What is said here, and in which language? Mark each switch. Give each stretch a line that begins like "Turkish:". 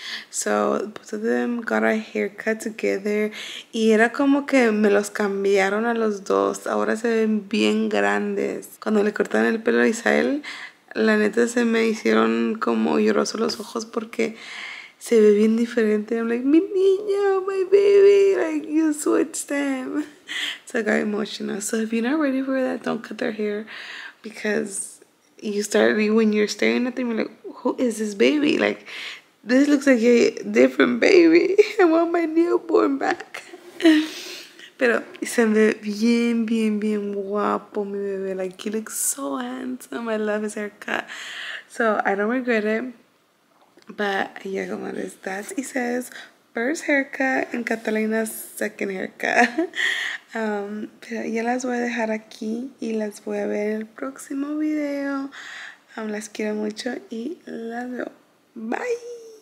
English: So, both of them got a haircut together.
Spanish: Y era como que me los cambiaron a los dos. Ahora se ven bien grandes. Cuando le cortaron el pelo a Isael, la neta se me hicieron como lloroso los ojos porque se ve bien diferente.
English: I'm like,
Spanish: mi niño,
English: my baby, like, you switched them. So, I got emotional. So, if you're not ready for that, don't cut their hair. Because you start, when you're staring at them, you're like, who is this baby? Like, this looks like a different baby. I want my newborn back.
Spanish: Pero se ve bien, bien, bien guapo mi bebé.
English: Like, he looks so handsome. I love his haircut. So, I don't regret it. But, yeah,
Spanish: como les,
English: that's Isael's first haircut and Catalina's second haircut.
Spanish: Pero ya las voy a dejar aquí y las voy a ver en el próximo video. Las quiero mucho y las veo. Bye.